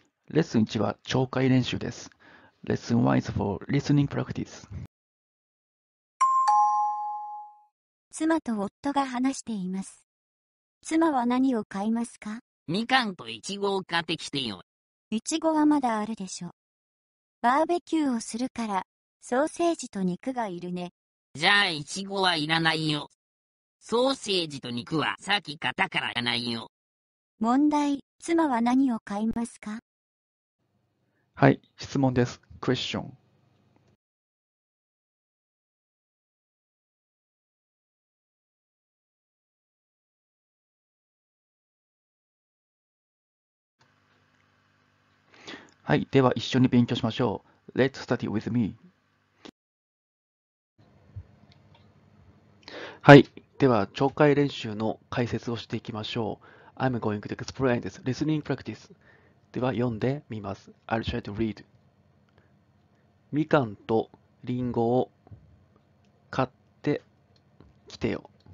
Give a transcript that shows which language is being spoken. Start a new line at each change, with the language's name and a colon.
Japanese: レッスン1は聴解練習です。
English: レッスン1 is for listening practice.
Japanese: 妻と夫が話しています。妻は何を買いますか？みかんといちごを買ってきてよ。いちごはまだあるでしょ。バーベキューをするからソーセージと肉がいるね。じゃあいちごはいらないよ。ソーセージと肉はさっき買ったからいらないよ。問題、妻は何を買いますか？はい、質問です。クエスチョン。はい、では一緒に勉強しましょう。
English: Let's study with me.
Japanese: はい、では聴解練習の解説をしていきましょう。
English: I'm going to explain this listening practice.
Japanese: では読んでみます。
English: I'll try to read.
Japanese: みかんとりんごを買ってきてよ。